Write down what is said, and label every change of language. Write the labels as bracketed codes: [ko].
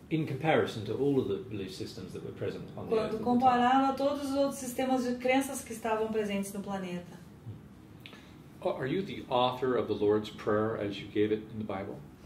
[en] In comparison to all of the belief systems that were present on the earth. [pt] Quando comparado a todos os outros sistemas de crenças que estavam presentes no planeta. [en] Are you the author of the Lord's Prayer as you gave it in the Bible?